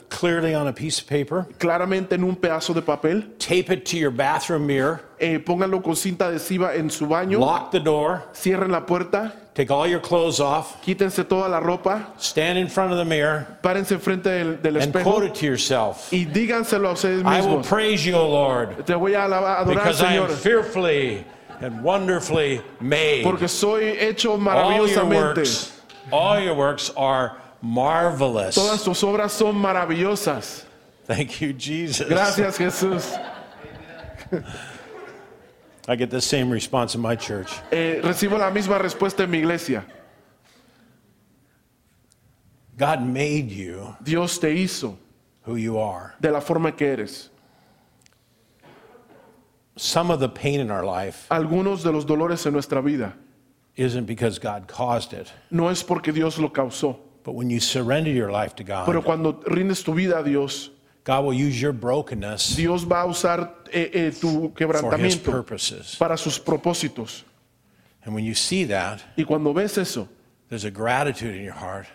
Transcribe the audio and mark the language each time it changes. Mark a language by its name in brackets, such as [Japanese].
[English] Clearly on a piece of paper. [Spanish] Claramente en un pedazo de papel. [English] Tape it to your bathroom mirror. [Spanish] Pónganlo con cinta adhesiva en su baño. [English] Lock the door. [Spanish] Cierren la puerta. [English] Take all your clothes off. [Spanish] Quítense toda la ropa. [English] Stand in front of the mirror. [Spanish] Párense frente del [English] and [Spanish] espejo. [English] And quote it to yourself. [Spanish] Y díganselo a ustedes mismos. [English] I will praise you, O Lord. [Spanish] Te voy a adorar, [English] because [Spanish] Señor. [English] I am fearfully and wonderfully made. [Spanish] Porque soy hecho maravillosamente. [English] All your works are marvelous. [Spanish] Todas tus obras son maravillosas. [English] Thank you, Jesus. [Spanish] Gracias, Jesús. [English] I get the same response in my church. [Spanish] Recibo la misma respuesta en mi iglesia. [English] God made you. [Spanish] Dios te hizo. [English] Who you are. [Spanish] De la forma que eres. [English] Some of the pain in our life. [Spanish] Algunos de los dolores en nuestra vida. [English] Isn't because God caused it. [Spanish] No es porque Dios lo causó. [English] But when you surrender your life to God. [Spanish] Pero cuando rindes tu vida a Dios. [English] God will use your brokenness. [Spanish] Dios va a usar tu quebrantamiento. [English] For his purposes. [Spanish] Para sus propósitos. [English] And when you see that. [Spanish] Y cuando ves eso. [English] There's a gratitude in your heart.